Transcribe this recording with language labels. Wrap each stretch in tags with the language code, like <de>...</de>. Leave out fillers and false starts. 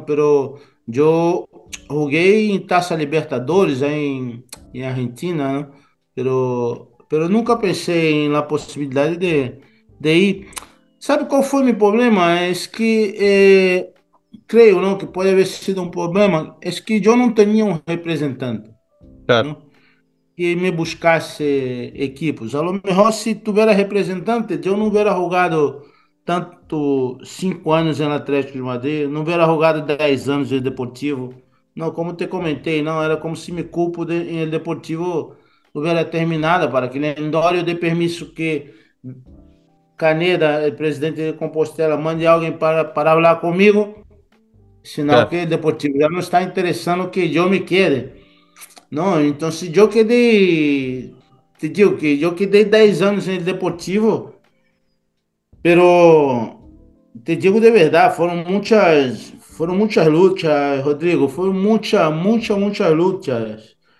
<pt>Pero eu joguei em Taça Libertadores em Argentina, não? Pero nunca pensei na possibilidade de ir. Sabe qual foi meu problema? É que creio, não, que pode haver sido um problema. É que eu não tinha um representante, Claro. não? que me buscasse equipes.</pt> <es>A lo mejor, si tuviera representante, yo no hubiera jugado tanto 5 años en Atlético de Madrid, no hubiera jugado 10 años en Deportivo. No, como te comenté, no, era como si mi cupo en el Deportivo hubiera terminado,</es> <pt>para que nem</pt> <es>dólar de permiso que Caneda, el presidente de Compostela, mande alguien para hablar conmigo.</es> <pt>Sinal Claro. que o Deportivo já não está interessando que eu me quede. Não, então se eu quedei, te digo que eu quedei 10 anos em Deportivo, pero te digo de verdade, foram muitas lutas, Rodrigo, foram muitas lutas.</pt>